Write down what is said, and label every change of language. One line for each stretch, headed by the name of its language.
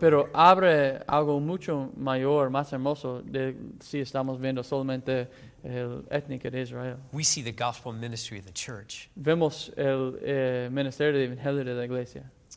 Spanish: Pero abre algo mucho mayor, más hermoso de si estamos viendo solamente el étnico de Israel.
English: We see the gospel ministry of the church.
Spanish: Vemos el ministerio del evangelio de la iglesia.